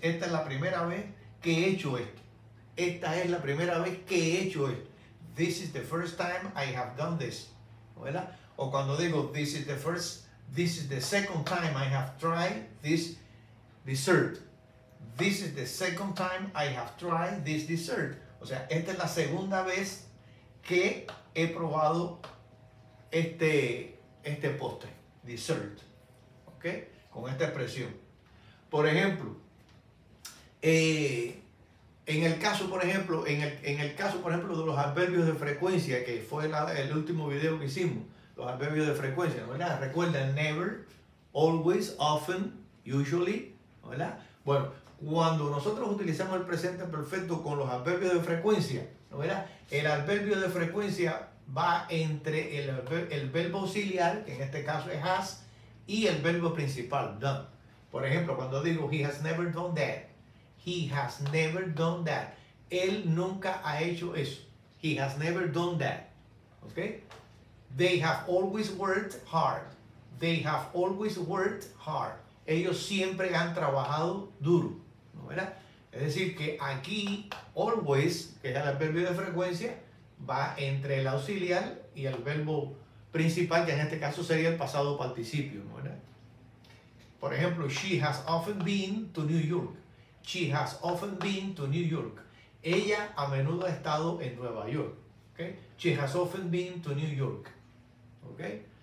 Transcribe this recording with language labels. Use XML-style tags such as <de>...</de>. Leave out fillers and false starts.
<es>Esta es la primera vez que he hecho esto. Esta es la primera vez que he hecho esto.</es> <en>This is the first time I have done this.</en> <es>¿Verdad? O cuando digo,</es> <en>this is the second time I have tried this dessert. This is the second time I have tried this dessert.</en> <es>O sea, esta es la segunda vez que he probado este postre, dessert. ¿Ok? Con esta expresión. Por ejemplo, en el caso, por ejemplo, de los adverbios de frecuencia, que fue el último video que hicimos, los adverbios de frecuencia, ¿no verdad? Recuerda, never, always, often, usually, ¿no verdad? Bueno, cuando nosotros utilizamos el presente perfecto con los adverbios de frecuencia, ¿no verdad? El adverbio de frecuencia va entre el verbo auxiliar, que en este caso es has, y el verbo principal, done. Por ejemplo, cuando digo,</es> <en>he has never done that. He has never done that.</en> <es>Él nunca ha hecho eso.</es> <en>He has never done that. Okay? They have always worked hard. They have always worked hard.</en> <es>Ellos siempre han trabajado duro, ¿no? ¿Verdad? Es decir, que aquí, always, que es el adverbio de frecuencia, va entre el auxiliar y el verbo principal, que en este caso sería el pasado participio, ¿no? ¿Verdad? Por ejemplo,</es> <en>she has often been to New York. She has often been to New York.</en> <es>Ella a menudo ha estado en Nueva York.</es> <en>Okay? She has often been to New York. Okay?</en>